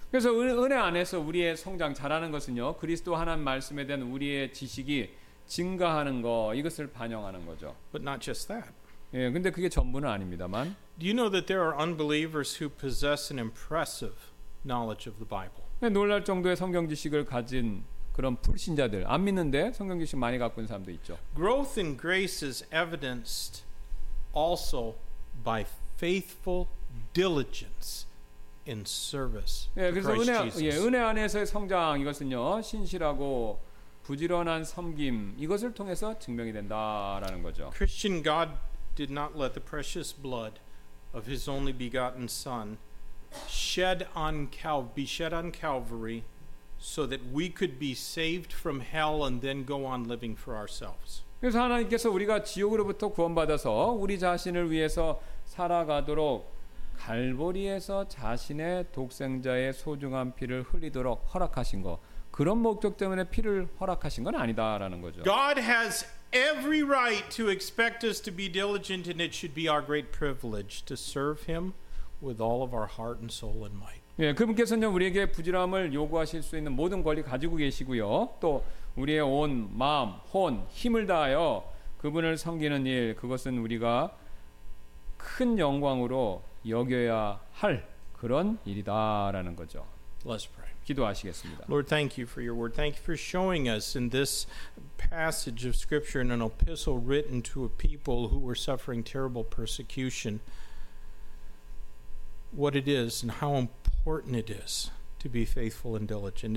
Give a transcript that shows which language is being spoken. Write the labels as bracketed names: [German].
[Korean] 그래서 은혜 안에서 우리의 성장 잘하는 것은요. 그리스도 하나님 말씀에 대한 우리의 지식이 증가하는 거 이것을 반영하는 거죠. [English] But not just that. [Korean] 예, 근데 그게 전부는 아닙니다만. [English] Do you know that there are unbelievers who possess an impressive knowledge of the Bible? [Korean] 놀랄 정도의 성경 지식을 가진 그런 불신자들, 안 믿는데 성경 지식 많이 갖고 있는 사람도 있죠. [English] Growth in grace is evidenced also by faithful diligence in service. [Korean] 예, 그래서 은혜, 예, 은혜 안에서의 성장 이것은요 신실하고 부지런한 섬김 이것을 통해서 증명이 된다라는 거죠. [English] Christian God did not let the precious blood of His only begotten Son be shed on Calvary, so that we could be saved from hell and then go on living for ourselves. [Korean] 그래서 하나님께서 우리가 지옥으로부터 구원받아서 우리 자신을 위해서 살아가도록 갈보리에서 자신의 독생자의 소중한 피를 흘리도록 허락하신 거 그런 목적 때문에 피를 허락하신 건 아니다라는 거죠. [English] God has every right to expect us to be diligent, and it should be our great privilege to serve Him with all of our heart and soul and might. [Korean] 예, 그분께서는 우리에게 부지런함을 요구하실 수 있는 모든 권리 가지고 계시고요. 또 우리의 온 마음, 혼, 힘을 다하여 그분을 섬기는 일 그것은 우리가 큰 영광으로 여겨야 할 그런 일이다라는 거죠. [English] Let's pray. [Korean] 기도하시겠습니다. [English] Lord, thank you for your word. Thank you for showing us in this passage of scripture in an epistle written to a people who were suffering terrible persecution. What it is and how important it is to be faithful and diligent.